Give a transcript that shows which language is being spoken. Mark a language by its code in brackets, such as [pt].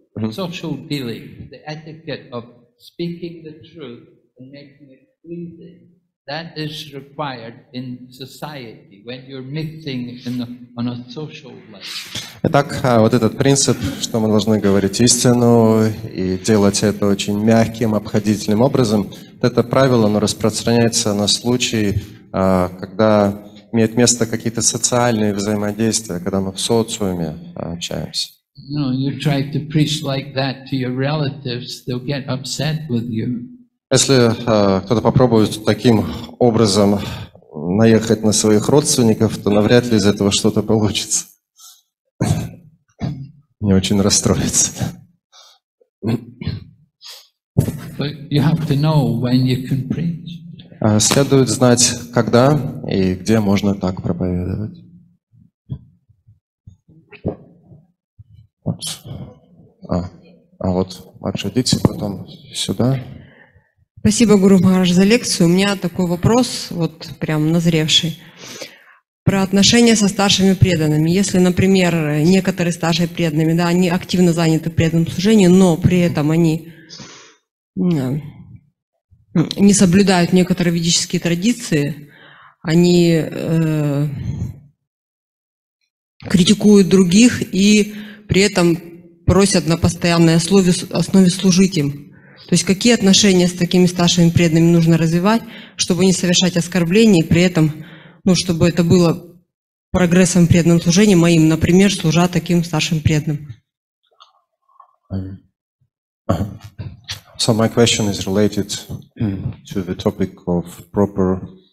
[en] Social dealing, the etiquette of speaking the truth and making it pleasing, that is required in society when you're mixing on a social level. [ru] Итак, вот этот принцип, что мы должны говорить истину и делать это очень мягким, обходительным образом, вот это правило, оно распространяется на случай, когда имеют место какие-то социальные взаимодействия, когда мы в социуме общаемся. [en] No, you try to preach like that to your relatives, they'll get upset with you. [ru] Если кто-то попробует таким образом наехать на своих родственников, то навряд ли из этого что-то получится. Мне очень расстроится. [en] But you have to know when you can preach. [ru] Следует знать, когда и где можно так проповедовать. Вот. А вот отшадите потом сюда. Спасибо, Гуру Махарадж, за лекцию. У меня такой вопрос, вот прям назревший. Про отношения со старшими преданными. Если, например, некоторые старшие преданные, да, они активно заняты преданным служением, но при этом они не соблюдают некоторые ведические традиции, они критикуют других и при этом просят на постоянной основе служить им. То есть какие отношения с такими старшими преданными нужно развивать, чтобы не совершать оскорблений, при этом, ну, чтобы это было прогрессом преданного служения моим, например, служа таким старшим преданным. [en] So my question is related to the topic of proper